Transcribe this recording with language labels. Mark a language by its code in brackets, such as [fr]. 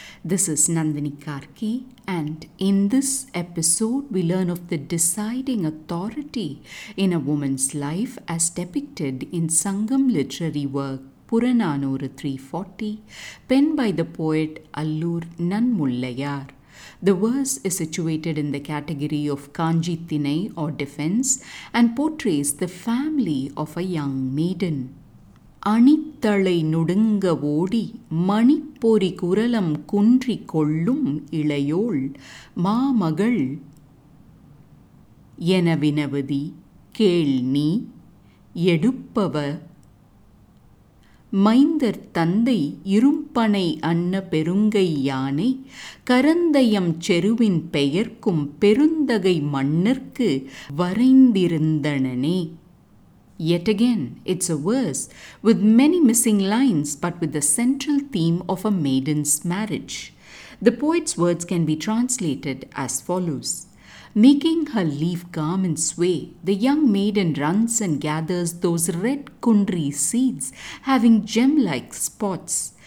[en] This is Nandini Karki, and in this episode we learn of the deciding authority in a woman's life as depicted in Sangam literary work Puranaanooru 340, penned by the poet Allur Nanmullayar. The verse is situated in the category of Kanji Thinai or defense and portrays the family of a young maiden. [ta] அணித்தளை நொடுங்க ஓடி மணிப்பொறி குரலம் குன்றி கொள்ளும் இளையோள் மாமகள் என வினவதி கேள் நீ எடுப்பவ மைந்தர் தந்தை இரும்பனை அன்ன பெருங்கை யானை கரந்தயம் செருவின் பெயர்க்கும் பெருந்தகை மன்னர்க்கு வரைந்திருந்தனே. [en] Yet again, it's a verse with many missing lines but with the central theme of a maiden's marriage. The poet's words can be translated as follows. Making her leaf garment sway, the young maiden runs and gathers those red kundri seeds having gem-like spots.